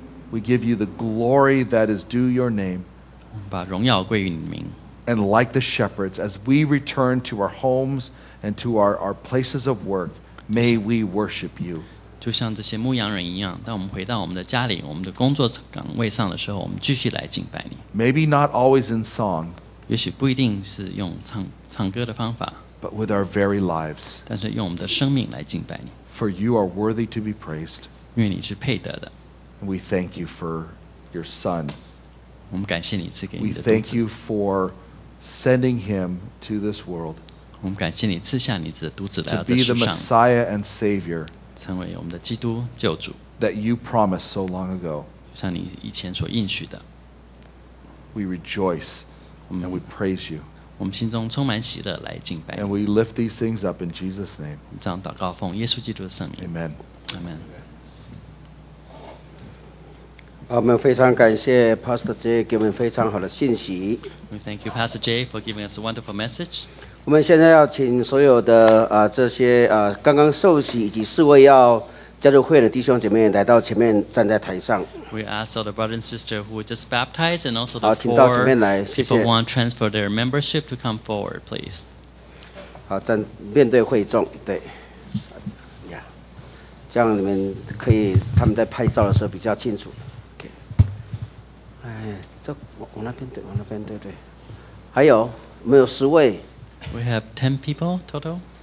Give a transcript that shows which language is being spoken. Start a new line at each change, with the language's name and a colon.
English: We give you the glory that is due your name,
Chinese: 把荣耀归于你的名。
English: And like the shepherds, as we return to our homes and to our places of work, may we worship you.
Chinese: 就像这些牧羊人一样，当我们回到我们的家里，我们的工作岗位上的时候，我们继续来敬拜你。
English: Maybe not always in song.
Chinese: 也许不一定是用唱歌的方法。
English: But with our very lives.
Chinese: 但是用我们的生命来敬拜你。
English: For you are worthy to be praised.
Chinese: 因为你是配得的。
English: And we thank you for your son.
Chinese: 我们感谢你赐给你的肚子。
English: We thank you for sending him to this world.
Chinese: 我们感谢你赐下你的独子来到这世上。
English: To be the Messiah and Savior.
Chinese: 成为我们的基督救主。
English: That you promised so long ago.
Chinese: 像你以前所应许的。
English: We rejoice and we praise you.
Chinese: 我们心中充满喜乐来敬拜。
English: And we lift these things up in Jesus' name.
Chinese: 这样祷告奉耶稣基督的圣名。
English: Amen. Amen.
Chinese: 我们非常感谢 Pastor J 给我们非常好的信息。
English: We thank you, Pastor J, for giving us a wonderful message.
Chinese: 我们现在要请所有的这些刚刚受洗以及四位要加入会的弟兄姐妹来到前面站在台上。
English: We ask all the brothers and sisters who were just baptized and also the
Chinese: 好，请到前面来，谢谢。
English: People want transfer their membership to come forward, please.
Chinese: 好，站面对会众，对。这样你们可以他们在拍照的时候比较清楚。哎，这我那边对，我那边对对，还有我们有十位。
English: We have 10 people total.